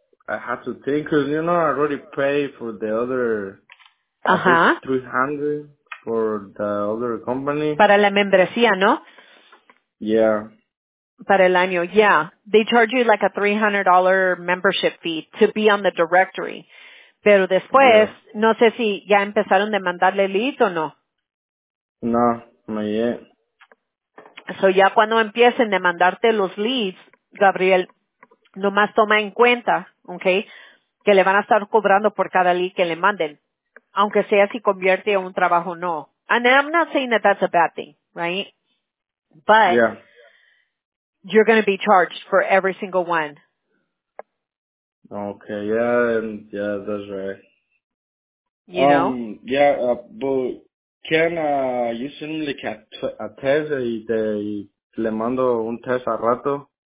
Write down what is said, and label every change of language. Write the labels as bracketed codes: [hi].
[en] I have to think, because, you know, I already paid for the other $300 for the other company. [es] Para la membresía, ¿no? [en] Yeah. [es] Para el año, yeah. [en] They charge you like a $300 membership fee to be on the directory. [es] Pero después, no sé si ya empezaron de mandarle leads o no. [en] No, no yet. [es] So ya cuando empiecen de mandarte los leads, Gabriel, nomás toma en cuenta, okay, que le van a estar cobrando por cada lead que le manden, aunque sea si convierte a un trabajo o no. [en] And I'm not saying that that's a bad thing, right? But you're going to be charged for every single one. Okay, yeah, that's right. You know? But can you send me like a test [es] y te le mando un test a rato?